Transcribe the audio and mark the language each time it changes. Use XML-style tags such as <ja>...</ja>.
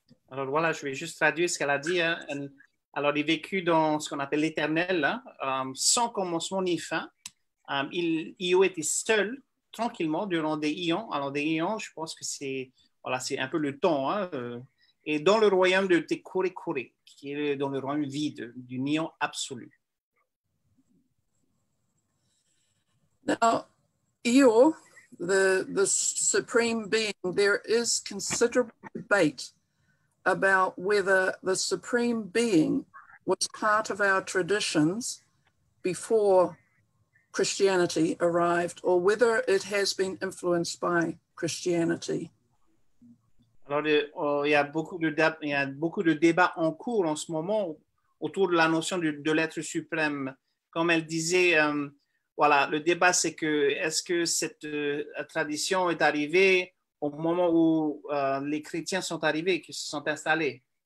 <fr>Alors voilà, je vais juste traduire ce qu'elle a dit. Hein. Alors, il vécu dans ce qu'on appelle l'éternel, hein, sans commencement ni fin. Il était seul, tranquillement, durant des ions. Alors, des ions, je pense que c'est, voilà, c'est un peu le temps. Hein, et dans le royaume de te kore kore, qui est dans le royaume vide, du ion absolu.</fr> <en>Now, Io, the supreme being, there is considerable debate about whether the supreme being was part of our traditions before Christianity arrived, or whether it has been influenced by Christianity.</en> <fr>Alors, il y a beaucoup de débats en cours en ce moment autour de la notion de l'être suprême. Comme elle disait, voilà, le débat, c'est que est-ce que cette tradition est arrivée au moment où les chrétiens sont arrivés, qui se sont installés.</fr>